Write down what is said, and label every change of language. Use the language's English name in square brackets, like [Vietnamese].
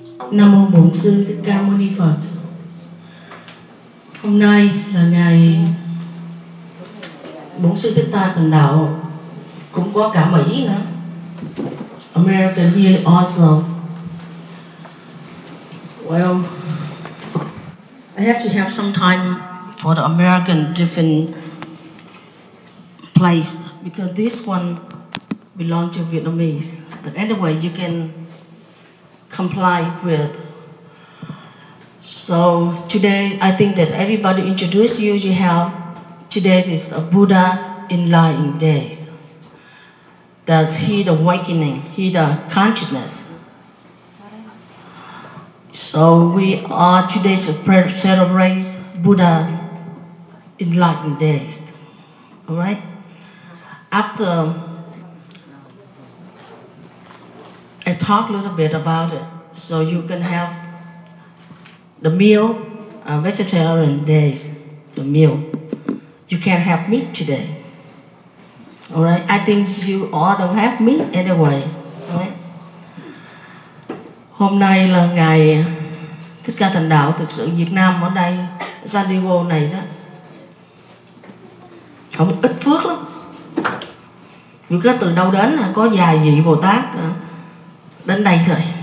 [Vietnamese] Nam Mô Bổn Sư Thích Ca Mâu Ni Phật. Hôm nay là ngày Bổn Sư Thích Ca thành đạo, cũng có cả Mỹ nữa. [English] America here also. Well, I have to have some time for the American different place because this one belongs to Vietnamese. But anyway, you can comply with. So today, I think that everybody introduced you. You have today is a Buddha enlightened days. That's he the awakening, he the consciousness. So we are today celebrate Buddha's enlightened days. All right. After I talk a little bit about it, so you can have the meal, vegetarian days, the meal. You can't have meat today. All right. I think you all don't have meat anyway. All right. [Vietnamese] Hôm nay là ngày Thích Ca thành đạo. Thực sự Việt Nam ở đây, San Diego này đó, có một ít phước lắm. Những cái từ đâu đến là có vài vị Bồ Tát đến đây rồi.